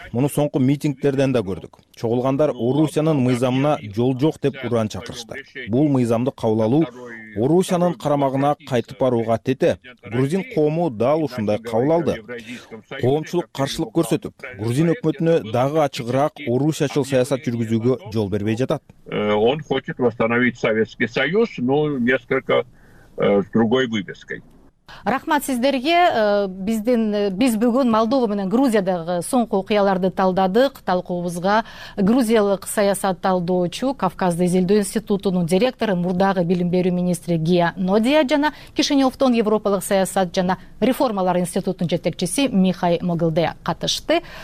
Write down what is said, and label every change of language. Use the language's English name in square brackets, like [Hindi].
[Kyrgyz] Муну соңку митингдерден да көрдүк. Чогулгандар Орусиянын мыйзамына жол жок деп уран чакырышты. Бул мыйзамды кабыл алуу Орусиянын карамагына кайтып барууга тете. Грузин коому дал ушундай кабыл алды. Коомчулук каршылык көрсөтүп, грузин өкмөтүнө дагы ачыгыраак орусиячыл саясат жүргүзүүгө жол бербей жатат. [Russian] Он хочет восстановить Советский Союз, но несколько с другой вывеской. [Kyrgyz] Рахмат сиздерге. Биз бүгүн Молдова менен Грузиядагы соңку окуяларды талдадык. Талкуубузга грузиялык саясат талдоочу, Кавказды изилдөө институтунун директору, мурдагы билим берүү министри Гия Нодия жана Кишиневтон Европалык саясат жана реформалар институтунун жетекчиси Михай Могилде катышты.